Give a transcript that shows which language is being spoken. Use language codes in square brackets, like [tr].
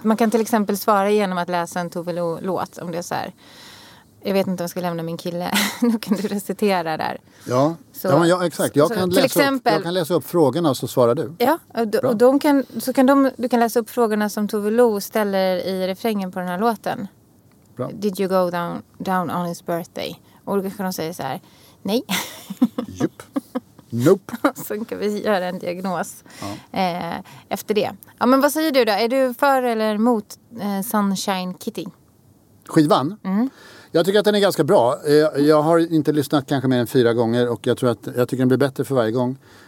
[sv] Man kan till exempel svara genom att läsa en Tove Lo-låt om det är så här. Jag vet inte om jag ska lämna min kille. Nu kan du recitera där. Jag kan läsa upp frågorna och så svarar du. Ja, och du kan läsa upp frågorna som Tove Lo ställer i refrängen på den här låten. Bra. [en] Did you go down on his birthday? [sv] Och då kan de säga så här, nej. Jupp. [en] Nope. [sv] Så kan vi göra en diagnos efter det. Ja, men vad säger du då? Är du för eller mot Sunshine Kitty? Skivan? Mm. Jag tycker att den är ganska bra. Jag har inte lyssnat kanske mer än 4 gånger och jag tycker den blir bättre för varje gång.